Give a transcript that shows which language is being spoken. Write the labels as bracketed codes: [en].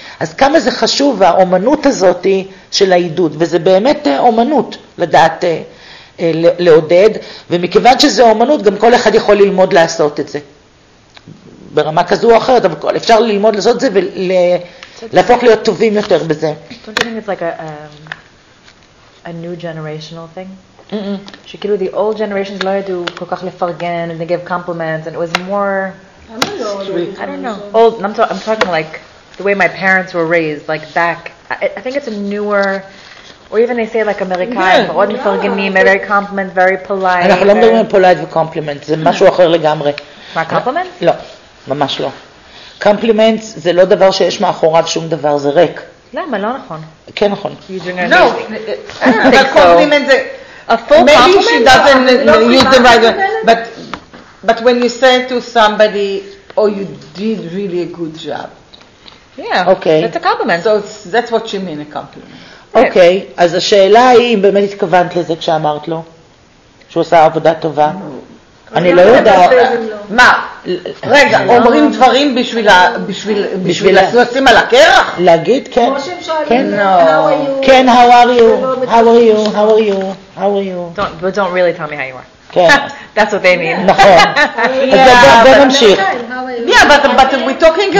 [he] אז כמה זה חשוב, האומנות הזאת של העידוד, וזה באמת אומנות לדעת לעודד, ומכיוון שזה אומנות, גם כל אחד יכול ללמוד לעשות את זה. ברמה כזו או אחרת, אבל אפשר ללמוד לעשות את זה ולהפוך להיות טובים יותר בזה. [en] Don't you think it's like a new generational thing? [he] שכאילו [en] the old generations [he] לא ידעו כל כך לפרגן [en] and they gave compliments and it was more... I'm talking like the way my parents were raised, like back. I think it's a newer... Or even they say like American, [he] מאוד מפרגנים, [en] very compliment, very polite. [he] אנחנו לא מדברים על polite וcompliment, זה משהו אחר לגמרי. מה, compliments? לא. ממש לא. Compliments זה לא דבר שיש מאחוריו שום דבר, זה ריק. למה? לא נכון. כן נכון. [en] No, but compliments, a full compliment? Maybe she doesn't use the right word. But when you say to somebody, oh, you did really a good job. Yeah, okay. That's a compliment. So that's what you mean, a compliment. [he] אוקיי, אז השאלה היא אם באמת התכוונת לזה כשאמרת לו, שהוא עושה עבודה טובה. אני לא יודע. מה? רגע, אומרים דברים בשביל לשים על הקרח? להגיד, כן. כמו שהם שואלים, כן, [en] how are you? How are you? How are you? How are you? But don't really tell me how you are. [he] כן. [en] That's what they mean. [he] נכון. אז בואו נמשיך. [en] Yeah, but we're talking about...